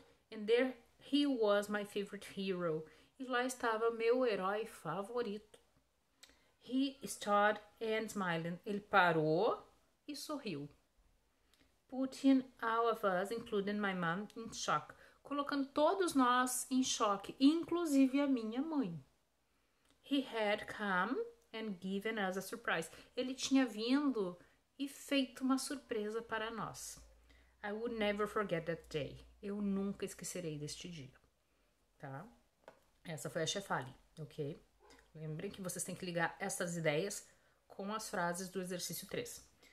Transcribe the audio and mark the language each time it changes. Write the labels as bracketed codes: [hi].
[en] And there he was, my favorite hero. [pt] E lá estava meu herói favorito. [en] He stood and smiling. [pt] Ele parou e sorriu. [en] Putting all of us, including my mom, in shock. [pt] Colocando todos nós em choque, inclusive a minha mãe. [en] He had come and given us a surprise. [pt] Ele tinha vindo e feito uma surpresa para nós. [en] I would never forget that day. [pt] Eu nunca esquecerei deste dia. Tá? Essa foi a chefali, ok? Lembrem que vocês têm que ligar essas ideias com as frases do exercício 3.